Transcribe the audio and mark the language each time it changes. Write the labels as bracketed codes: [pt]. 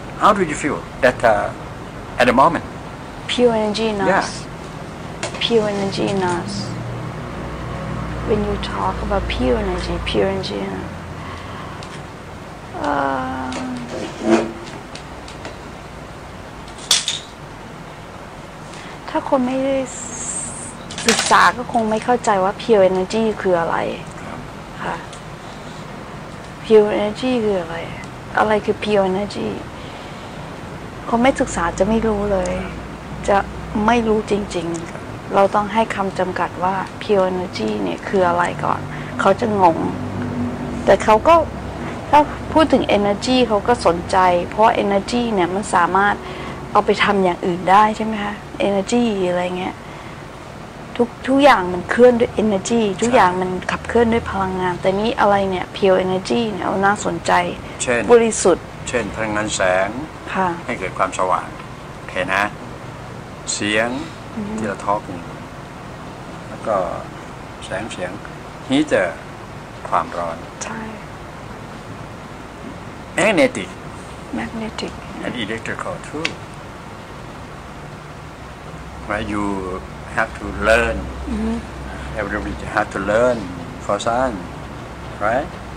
[en] How do you feel that at the moment? Pure energy in us. Yeah. Pure energy in us. When you talk about pure energy in us. [th] ถ้าคนไม่ได้ศึกษาก็คงไม่เข้าใจว่า pure energy คืออะไร ค่ะ pure energy คืออะไรอะไรคือ pure energy คนไม่ศึกษาจะไม่รู้เลยจะไม่รู้จริงๆเราต้องให้คำจำกัดว่า pure energy เนี่ยคืออะไรก่อนเขาจะงงแต่เขาก็ถ้าพูดถึง energy เขาก็สนใจเพราะ energy เนี่ยมันสามารถเอาไปทำอย่างอื่นได้ใช่ไหมคะenergy อะไรเงี้ย ทุกอย่างมันเคลื่อนด้วย energy ทุกอย่างมันขับเคลื่อนด้วยพลังงานแต่นี้อะไรเนี่ย pure energy เนี่ยน่าสนใจ เช่น บริสุทธิ์เช่นพลังงานแสง ค่ะ ให้เกิดความสว่างโอเคนะเสียงที่เราทอกแล้วก็แสงเสียงฮีเตอร์ความร้อน ใช่ [en] magnetic and electrical tooWhere you have to learn, everybody have to learn for sun, right?